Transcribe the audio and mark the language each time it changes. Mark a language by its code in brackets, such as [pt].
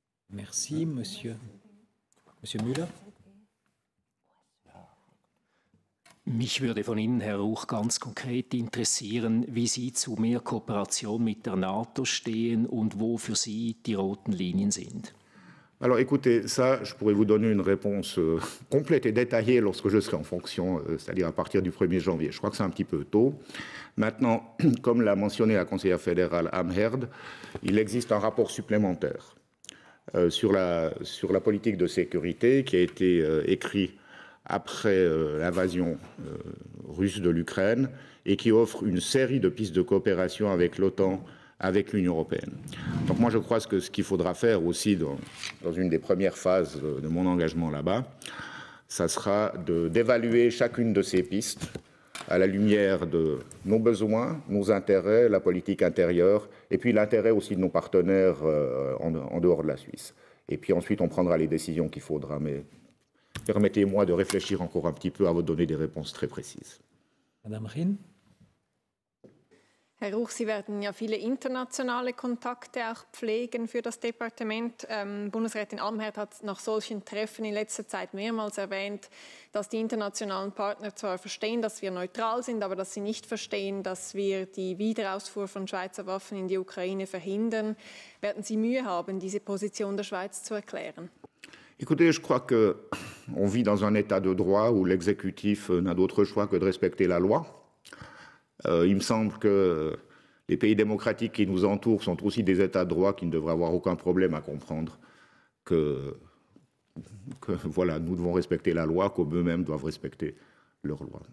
[fr] Merci, Monsieur. Monsieur Müller. [de] Mich würde von Ihnen, Herr Ruch, ganz konkret interessieren, wie Sie zu mehr Kooperation mit der NATO stehen und wo für Sie die roten Linien sind. [fr] Alors écoutez, ça, je pourrais vous donner une réponse complète et détaillée lorsque je serai en fonction, c'est-à-dire à partir du 1er janvier. Je crois que c'est un petit peu tôt. Maintenant, comme l'a mentionné la conseillère fédérale Amherd, il existe un rapport supplémentaire sur la politique de sécurité qui a été écrit après l'invasion russe de l'Ukraine et qui offre une série de pistes de coopération avec l'OTAN, avec l'Union européenne. Donc moi, je crois que ce qu'il faudra faire aussi dans une des premières phases de mon engagement là-bas, ça sera d'évaluer chacune de ces pistes à la lumière de nos besoins, nos intérêts, la politique intérieure, et puis l'intérêt aussi de nos partenaires en dehors de la Suisse. Et puis ensuite, on prendra les décisions qu'il faudra. Mais permettez-moi de réfléchir encore un petit peu avant de donner des réponses très précises. Madame Rin. [de] Herr Ruch, Sie werden ja viele internationale Kontakte auch pflegen für das Departement. Bundesrätin Amherd hat nach solchen Treffen in letzter Zeit mehrmals erwähnt, dass die internationalen Partner zwar verstehen, dass wir neutral sind, aber dass sie nicht verstehen, dass wir die Wiederausfuhr von Schweizer Waffen in die Ukraine verhindern. Werden Sie Mühe haben, diese Position der Schweiz zu erklären? [fr] Écoutez, je crois que on vit dans un état de droit où l'exécutif n'a d'autre choix que de respecter la loi. Il me semble que les pays démocratiques qui nous entourent sont aussi des États de droit qui ne devraient avoir aucun problème à comprendre que voilà, nous devons respecter la loi, qu'eux-mêmes doivent respecter leur loi.